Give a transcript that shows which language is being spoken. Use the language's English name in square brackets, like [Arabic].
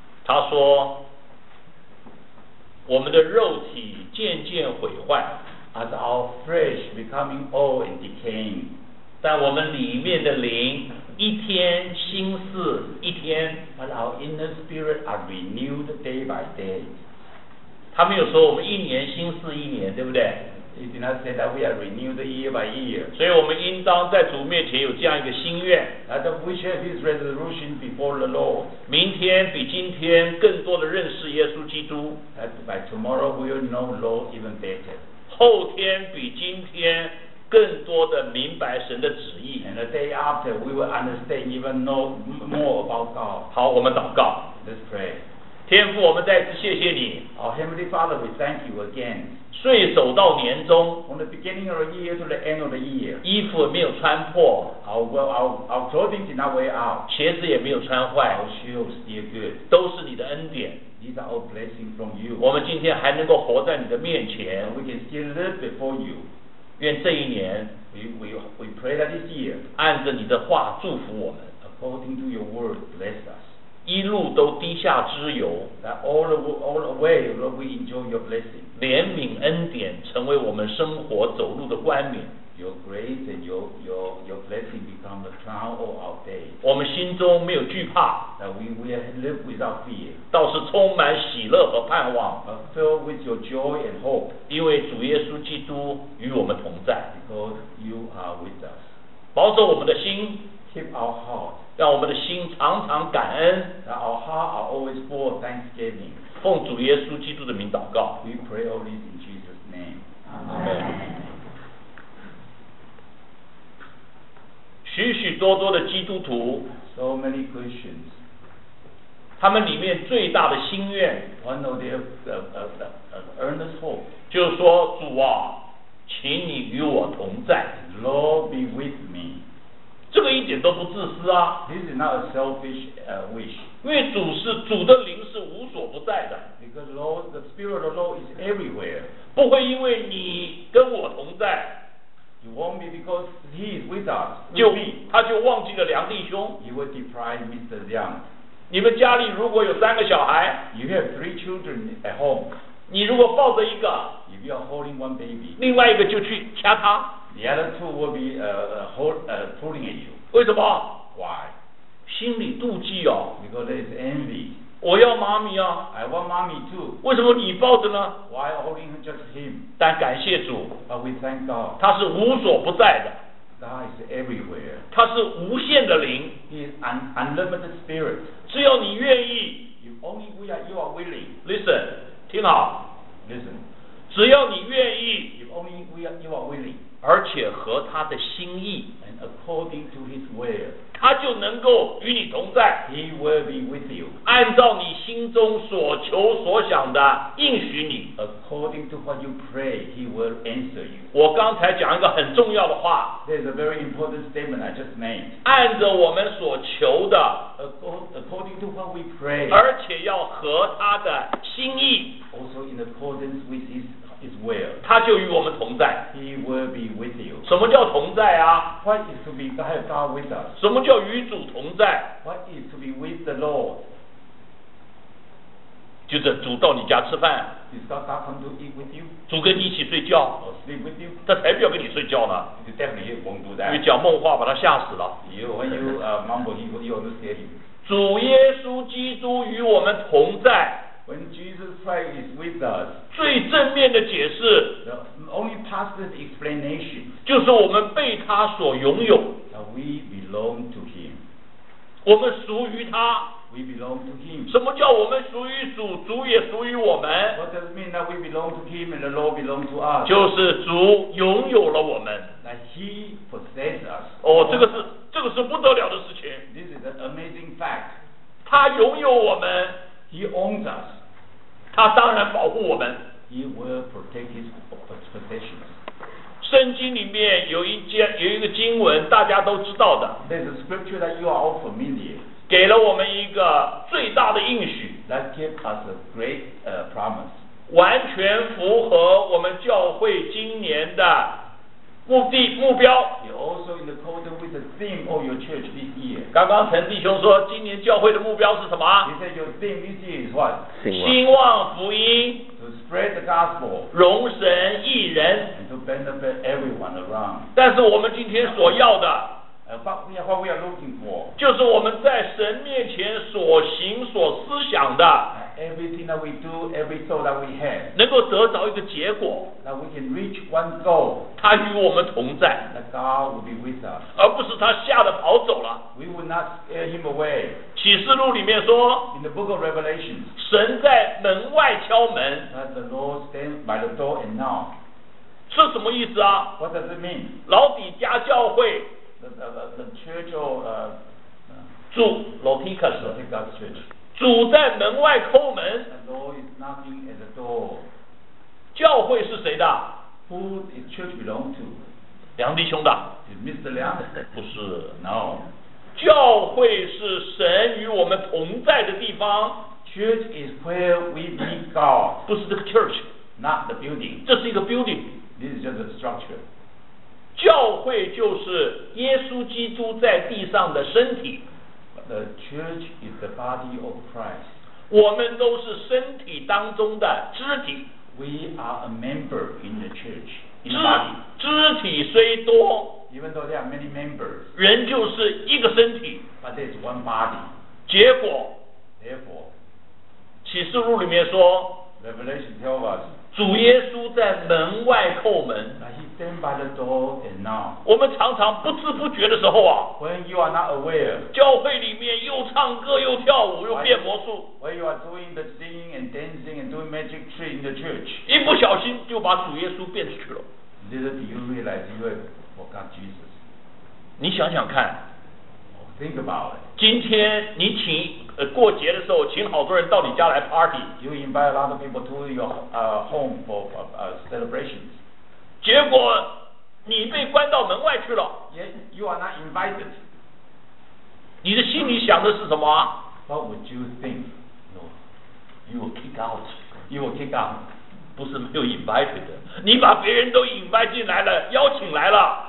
[Chinese] 他说，我们的肉体渐渐毁坏 [English] ，as our flesh becoming old and decaying， [Chinese] 但我们里面的灵一天新似一天 [English] ，but our inner spirit are renewed day by day。 [Chinese] 他没有说我们一年新似一年，对不对 [English] ？He did not say that we are renewed year by year。 [Chinese] 所以我们应当在主面前有这样一个心愿 [English] ，that we share this resolution before the Lord。 [Chinese] 明天比今天更多的认识耶稣基督 [English] ，that by tomorrow we will know the Lord even better。 [Chinese] 后天比今天更多的明白神的旨意 [English] ，and the day after we will understand even know more about God。 [Chinese] 好，我们祷告 [English] ，Let's pray。 [Chinese] 天父，我们再次谢谢你。 [English] Our Heavenly Father, we thank you again. [Chinese] 岁首到年终 [English] ，from the beginning of the year to the end of the year. [Chinese] 衣服没有穿破 [English] ，our clothing did not wear out. [Chinese] 鞋子也没有穿坏 [English] ，our shoes still good. [Chinese] 都是你的恩典 [English] ，these are all blessings from you. [Chinese] 我们今天还能够活在你的面前 [English] ，we can still live before you. [Chinese] 愿这一年 [English] ，we pray that this year [Chinese] 按着你的话祝福我们 [English] ，according to your word, bless us. [Chinese] 一路都滴下脂油 [English] that all the way that we enjoy your blessing [Chinese] 怜悯恩典成为我们生活走路的冠冕 [English] your grace and your blessing become the crown of our day [Chinese] 我们心中没有惧怕 [English] that we live without fear [Chinese] 倒是充满喜乐和盼望 [English] filled with your joy and hope [Chinese] 因为主耶稣基督与我们同在 [English] because you are with us [Chinese] 保守我们的心 [English] keep our heart [Chinese] 让我们的心常常感恩 [English] That our heart are always full of thanksgiving [Chinese] 奉主耶稣基督的名祷告 [English] We pray all this in Jesus' name Amen [Chinese] 许许多多的基督徒 [English] So many Christians [Chinese] 他们里面最大的心愿 [English] One of their earnest hope [Chinese] 就是说主啊请你与我同在 [English] Lord be with me [Chinese] 这个一点都不自私啊 [English] This is not a selfish wish [Chinese] 因为主是主的灵是无所不在的 [English] Because Lord, the spirit of the Lord is everywhere [Chinese] 不会因为你跟我同在 [English] It won't be because he is with us [Chinese] 他就忘记了梁弟兄 [English] He will deprive Mr. Liang [Chinese] 你们家里如果有三个小孩 [English] You have three children at home [Chinese] 你如果抱着一个 [English] If you are holding one baby [Chinese] 另外一个就去掐他 [English] The other two will be pulling at you. [Chinese] 为什么 [English] ？Why？ [Chinese] 心里妒忌哦。 [English] Because there is envy. [Chinese] 我要妈咪啊。 [English] I want mommy too. [Chinese] 为什么你抱着呢 [English] ？Why holding just him？ [Chinese] 但感谢主。 [English] But we thank God. [Chinese] 他是无所不在的。 [English] God is everywhere. [Chinese] 他是无限的灵。 [English] He is unlimited spirit. [Chinese] 只要你愿意。 [English] If only you are willing. Listen， [Chinese] 听好。 [English] Listen， [Chinese] 只要你愿意。 [English] If only you are willing. [Chinese] 而且和他的心意 [English] and according to his will [Chinese] 他就能够与你同在 [English] he will be with you [Chinese] 按照你心中所求所想的应许你 [English] according to what you pray he will answer you [Chinese] 我刚才讲一个很重要的话 [English] there's a very important statement I just made [Chinese] 按着我们所求的 [English] according to what we pray [Chinese] 而且要和他的心意 [English] also in accordance with his will Is well. [Chinese] 他就与我们同在 [English] He will be with you. [Chinese] 什么叫同在啊 [English] What is to be God with us? [Chinese] 什么叫与主同在 [English] What is to be with the Lord? [Chinese] 就是主到你家吃饭 [English] Is God come to eat with you? [Chinese] 主跟你一起睡觉 [English] Or sleep with you? [Chinese] 他才不要跟你睡觉呢 [English] He definitely won't do that. [Chinese] 因为讲梦话把他吓死了 [English] When you mumble, he will understand you. [Chinese] 主耶稣基督与我们同在 [English] When Jesus Christ is with us, [Chinese] 最正面的解释 [English] the only positive explanation, [Chinese] 就是我们被他所拥有 [English] that we belong to him. [Chinese] 我们属于他 [English] we belong to him. [Chinese] 什么叫我们属于主主也属于我们 [English] What does it mean that we belong to him and the Lord belong to us? [Chinese] 就是主拥有了我们 [English] that he possesses us. [Chinese] 这个是不得了的事情 [English] This is an amazing fact. [Chinese] 他拥有我们 [English] He owns us. [Chinese] 他当然保护我们。 [English] He will protect his possessions. [Chinese] 甚圣经里面有 有一个经文大家都知道的。 [English] There's a scripture that you are all familiar. [Chinese] 给了我们一个最大的应许。 [English] That gives us a great promise. [Chinese] 完全符合我们教会今年的目的目标。 [English] You're also in accordance with the theme of your church this year. [Chinese] 刚刚陈弟兄说今年教会的目标是什么？ [English] He said your theme this year is what? [Chinese] 兴旺福音。 [English] Spread the gospel, [Chinese] 容神益人 [English] and to benefit everyone around. [Chinese] 但是我们今天所要的 [English] what we are looking for, [Chinese] 就是我们在神面前所行所思想的 [English] everything that we do, every soul that we have, [Chinese] 能够得着一个结果 [English] that we can reach one goal, [Chinese] 他与我们同在 [English] that God will be with us, [Chinese] 而不是他吓得跑走了 [English] we will not scare him away. [Chinese] 启示录里面说 [English] in the book of Revelation, [Chinese] 神在门外敲门。 [English] That the Lord stands by the door and knock. [Chinese] 是什么意思啊 [English] ？What does it mean? [Chinese] 老底家教会。 [English] The church of [Chinese] 主 [English] Lotikas Church. [Chinese] 主在门外叩门。 [English] The Lord is knocking at the door. [Chinese] 教会是谁的 [English] ？Who is church belong to? [Chinese] 梁弟兄的。 [English] Is Mr. Liang? [Chinese] 不是 [English] ，No. [Chinese] 教会是神与我们同在的地方。 [English] Church is where we meet God. [Chinese] 不是这个 church, [English] not the building. [Chinese] 这是一个 building. [English] This is just a structure. [Chinese] 教会就是耶稣基督在地上的身体。 [English] The church is the body of Christ. [Chinese] 我们都是身体当中的肢体。 [English] We are a member in the church. [Chinese] 肢体虽多。 [English] Even though there are many members. [Chinese] 人就是一个身体。 [English] But there is one body. [Chinese] 结果。 [English] Therefore. [Chinese] 启示录里面说 [English] Revelation tells us, [Chinese] 主耶稣在门外叩门 [English] He stand by the door and knock. [Chinese] 我们常常不知不觉的时候啊 [English] When you are not aware, [Chinese] 教会里面又唱歌又跳舞又变魔术 [English] When you are doing the singing and dancing and doing magic trick in the church, [Chinese] 一不小心就把主耶稣变出去了 [English] Little do you realize you have forgot Jesus. [Chinese] 你想想看 [English] Think about it. [Chinese] 今天你请过节的时候请好多人到你家来 party [English] You invite a lot of people to your home for celebrations [Chinese] 结果你被关到门外去了 [English] You are not invited [Chinese] 你的心里想的是什么 [English] What would you think no. You will kick out You will kick out [Chinese] 不是没有 invited 你把别人都 invite 进来了邀请来了、